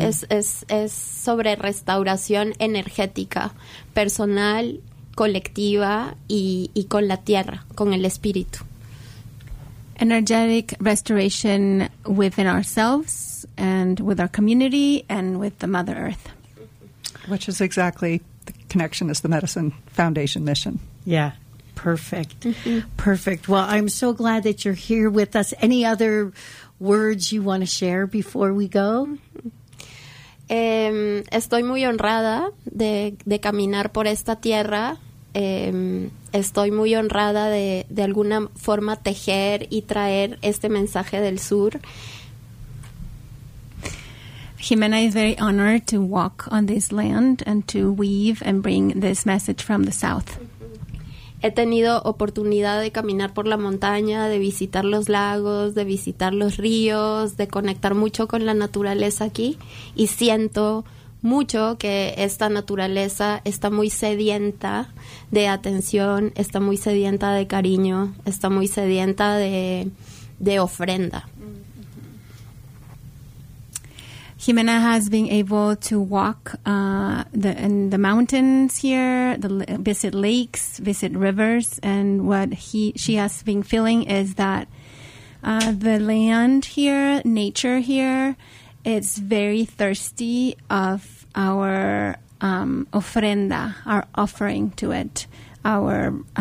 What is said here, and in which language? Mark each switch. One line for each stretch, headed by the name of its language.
Spanish: Es sobre restauración energética, personal, colectiva, y con la tierra, con el espíritu.
English: Energetic restoration within ourselves and with our community and with the Mother Earth. Which is exactly, the connection is the Medicine Foundation mission. Yeah. Perfect. Mm-hmm. Perfect. Well, I'm so glad that you're here with us. Any other words you want to share before we go?
Spanish: Estoy muy honrada de caminar por esta tierra. Estoy muy honrada de alguna forma tejer y traer este mensaje del sur.
English: Ximena is very honored to walk on this land and to weave and bring this message from the south.
Spanish: He tenido oportunidad de caminar por la montaña, de visitar los lagos, de visitar los ríos, de conectar mucho con la naturaleza aquí, y siento mucho que esta naturaleza está muy sedienta de atención, está muy sedienta de cariño, está muy sedienta de ofrenda.
English: Ximena has been able to walk in the mountains here, visit lakes, visit rivers, and what she has been feeling is that the land here, nature here, is very thirsty of our ofrenda, our offering to it, our